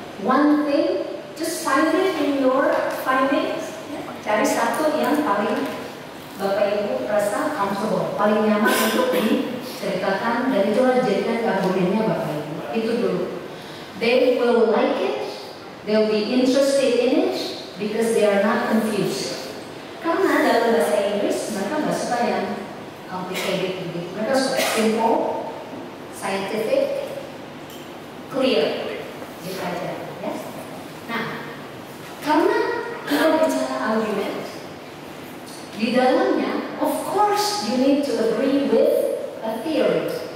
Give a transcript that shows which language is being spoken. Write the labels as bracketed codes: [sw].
[en] One thing, just find it in your findings. [id] Ya. Cari satu yang paling Bapak Ibu rasa comfortable, paling nyaman untuk diceritakan dan itu harus jadikan argumennya Bapak Ibu. Itu dulu. [en] They will like it, they'll be interested in it, because they are not confused. [id] Karena dalam bahasa Inggris, mereka gak suka yang complicated gitu. Mereka suka simple, scientific, clear, gitu aja, ya. Nah, karena kita bicara argument, di dalamnya, [en] of course you need to agree with a theory.